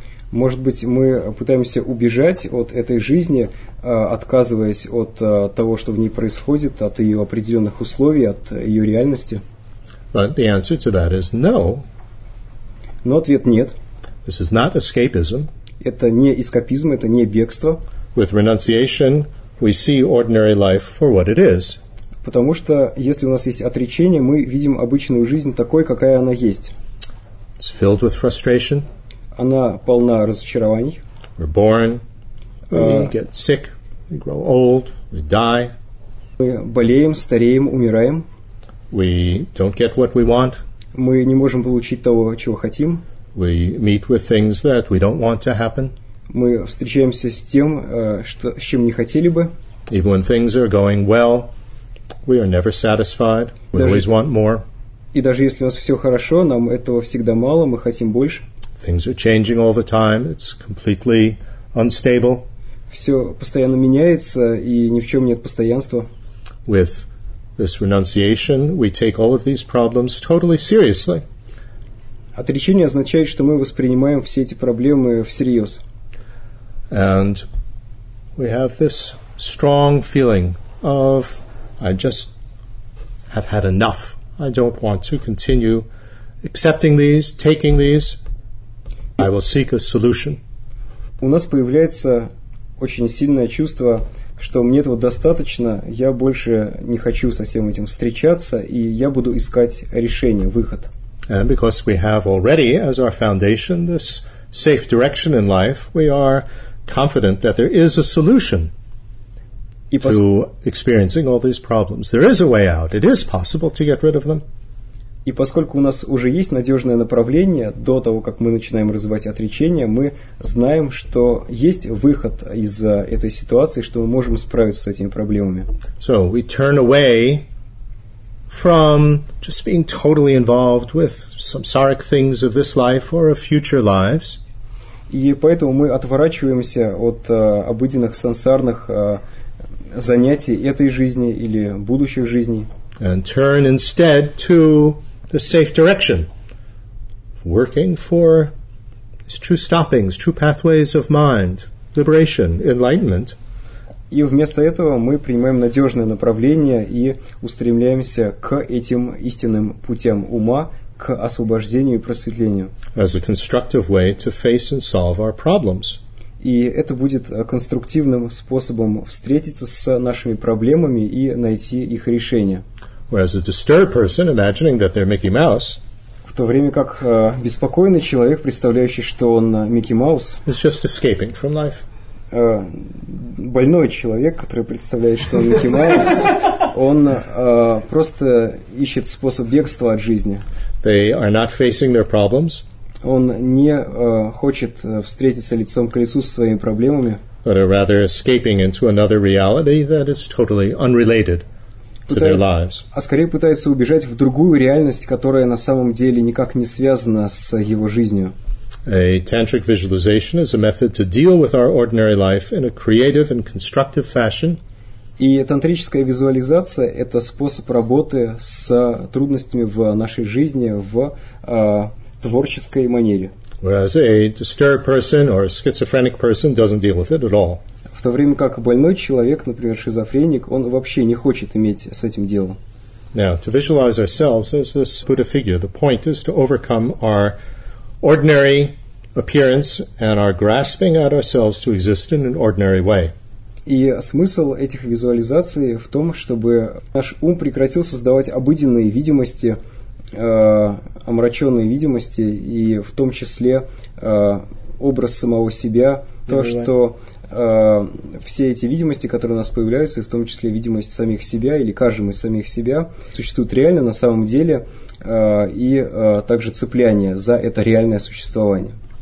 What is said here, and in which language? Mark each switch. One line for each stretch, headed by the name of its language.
Russian: Может быть, мы пытаемся убежать от этой жизни, отказываясь от того, что в ней происходит, от ее определенных условий, от ее реальности?
English: But the answer to that is no.
Russian: Но ответ нет.
English: This is not escapism.
Russian: Это не эскапизм, это не бегство.
English: With renunciation, we see ordinary life for what it is.
Russian: Потому что если у нас есть отречение, мы видим обычную жизнь такой, какая она есть.
English: It's filled with frustration.
Russian: Она полна разочарований.
English: We're born. We get sick. We grow old. We die.
Russian: Мы болеем, стареем, умираем.
English: We don't get what we want.
Russian: Мы не можем получить того, чего хотим.
English: We meet with things that we don't want to happen.
Russian: Мы встречаемся с тем, что, с чем не хотели бы.
English: Even when things are going well, we are never satisfied. We always want more.
Russian: И даже если у нас все хорошо, нам этого всегда мало, мы хотим больше.
English: Things are changing all the time. It's completely unstable.
Russian: Все постоянно меняется, и ни в чем нет постоянства.
English: With this renunciation, we take all of these problems totally seriously.
Russian: Отречение означает, что мы воспринимаем все эти проблемы всерьез.
English: And we have this strong feeling of I just have had enough. I don't want to continue accepting these, taking these. I will seek a solution.
Russian: У нас появляется очень сильное чувство, что мне этого достаточно, я больше не хочу со всем этим встречаться, и я буду искать решение, выход.
English: And because we have already as our foundation this safe direction in life, we are confident that there is a solution to experiencing all these problems. There is a way out. It is possible to get rid of them.
Russian: И поскольку у нас уже есть надежное направление до того, как мы начинаем развивать отречение, мы знаем, что есть выход из этой ситуации, что мы можем справиться с этими проблемами.
English: So we turn away from just being totally involved with samsaric things of this life or of future lives.
Russian: И поэтому мы отворачиваемся от обыденных сансарных занятий этой жизни или будущих жизней.
English: And turn instead to the safe direction, working for these true stoppings, true pathways of mind, liberation, enlightenment.
Russian: И вместо этого мы принимаем надежное направление и устремляемся к этим истинным путям ума, к освобождению и просветлению.
English: As a constructive way to face and solve our problems.
Russian: И это будет конструктивным способом встретиться с нашими проблемами и найти их решение.
English: Whereas a disturbed person, imagining that they're Mickey Mouse,
Russian: в то время как беспокойный человек, представляющий, что он Микки Маус,
English: is just escaping from life.
Russian: Больной человек, который представляет, что он Микки Маус, он просто ищет способ бегства от жизни.
English: They are not facing their problems.
Russian: Он не хочет встретиться лицом к лицу со своими проблемами,
English: but are rather escaping into another reality that is totally unrelated to their lives.
Russian: А скорее пытается убежать в другую реальность, которая на самом деле никак не связана с его жизнью.
English: A tantric visualization is a method to deal with our ordinary life in a creative and constructive fashion.
Russian: И тантрическая визуализация – это способ работы с трудностями в нашей жизни в творческой манере.
English: Whereas a disturbed person or a schizophrenic person doesn't deal with it at all.
Russian: В то время как больной человек, например, шизофреник, он вообще не хочет иметь с этим дело.
English: Now, to visualize ourselves as this Buddha figure, the point is to overcome our ordinary appearance and our grasping at ourselves to exist in an ordinary way.
Russian: И смысл этих визуализаций в том, чтобы наш ум прекратил создавать обыденные видимости, омраченные видимости, и в том числе образ самого себя, то, что все эти видимости, которые у нас появляются, и в том числе видимость самих себя или кажем из самих себя, существуют реально на самом деле, и также цепляние за это реальное существование.